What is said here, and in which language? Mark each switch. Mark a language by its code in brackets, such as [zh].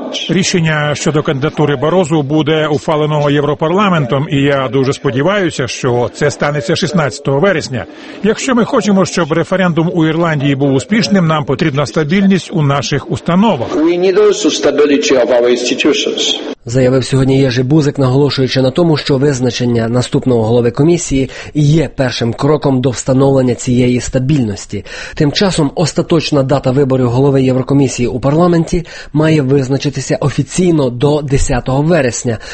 [uk] Рішення щодо кандидатури Барозу буде ухвалено Європарламентом, і я дуже сподіваюся, що це станеться 16 вересня. Якщо ми хочемо, щоб референдум у Ірландії був успішним, нам потрібна стабільність у наших установах. [en] We need also stability of our institutions. [uk] Заявив сьогодні Єжи Бузик, наголошуючи на тому, що визначення наступного голови комісії є першим кроком до встановлення цієї стабільності. Тим часом остаточна дата виборів голови Єврокомісії у парламенті має визначитися офіційно до 10 вересня.